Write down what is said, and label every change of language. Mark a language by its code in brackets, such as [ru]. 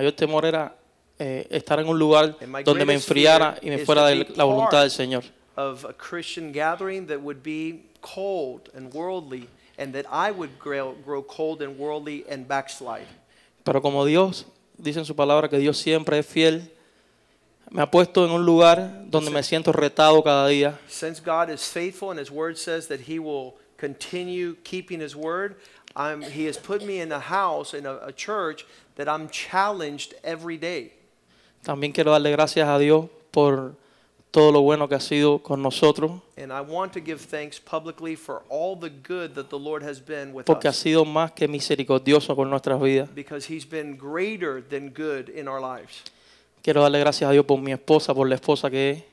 [es] Mi mayor temor era estar en un lugar donde me enfriara y me fuera de la voluntad del Señor. [en] Of a Christian gathering that would be cold and worldly, and that I would grow cold and worldly and backslide. [es] Pero como Dios dice en su palabra que Dios siempre es fiel, me ha puesto en un lugar donde me siento retado cada día. [en] Since God is faithful and His word says that He will continue keeping His word, He has put me in a house in a church that I'm challenged every day. [es] También quiero darle gracias a Dios por todo lo bueno que ha sido con nosotros. [en] And I want to give thanks publicly for all the good that the Lord has been with [es] porque Porque ha sido más que misericordioso con nuestras vidas. [en] Because He's been greater than good in our lives. [es] Quiero darle gracias a Dios por mi esposa, por la esposa que es.